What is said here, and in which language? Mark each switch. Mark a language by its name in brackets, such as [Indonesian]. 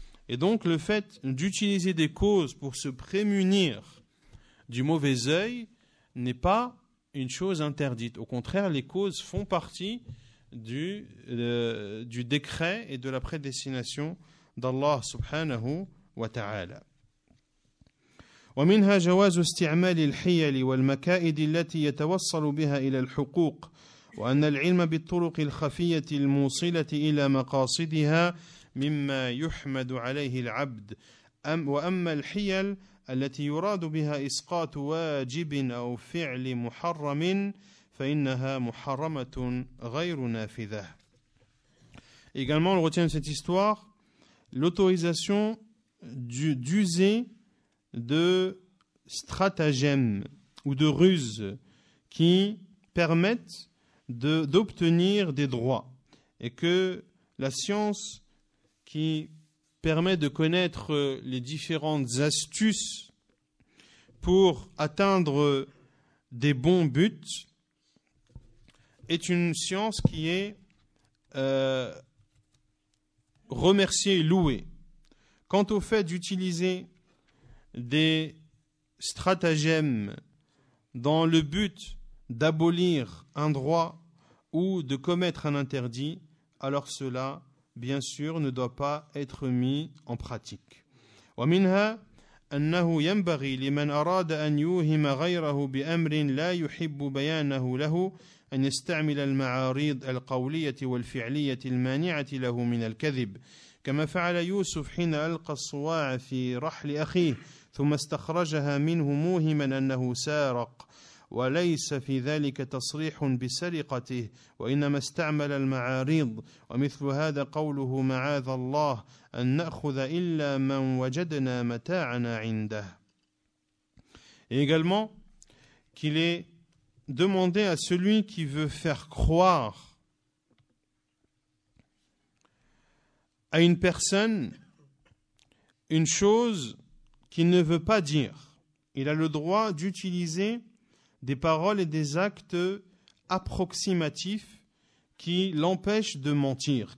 [French] Et donc, le fait d'utiliser des causes pour se prémunir du mauvais œil n'est pas une chose interdite. Au contraire, les causes font partie du décret et de la prédestination d'Allah subhanahu wa ta'ala. [Arabic] ومنها جواز استعمال الحيل والمكائد التي يتوصل بها إلى الحقوق وأن العلم بالطرق الخفية الموصلة إلى مقاصدها مما يحمد عليه العبد وأما الحيل التي يراد بها إسقاط واجب أو فعل محرم فإنها محرمة غير نافذة. [French] Également, on retient cette histoire, l'autorisation d'user de stratagèmes ou de ruses qui permettent d'obtenir des droits, et que la science qui permet de connaître les différentes astuces pour atteindre des bons buts est une science qui est remerciée et louée. Quant au fait d'utiliser des stratagèmes dans le but d'abolir un droit ou de commettre un interdit, alors cela, bien sûr, ne doit pas être mis en pratique. [Arabic] ومنها أنه ينبغي لمن أراد أن يوهم غيره بأمر لا يحب بيانه له أن يستعمل المعاريض القولية والفعلية المانعة له من الكذب كما فعل يوسف حين ألقى الصواع في رحل أخيه ثم استخرجها منه موهما أنه سارق وليس في ذلك تصريح بسرقته وإنما استعمل المعاريض ومثل هذا قوله معاذ الله أن نأخذ إلا من وجدنا متاعنا عنده. [French] Et également qu'il est demandé à celui qui veut faire croire à une personne une chose qu'il ne veut pas dire. Il a le droit d'utiliser des paroles et des actes approximatifs qui l'empêchent de mentir.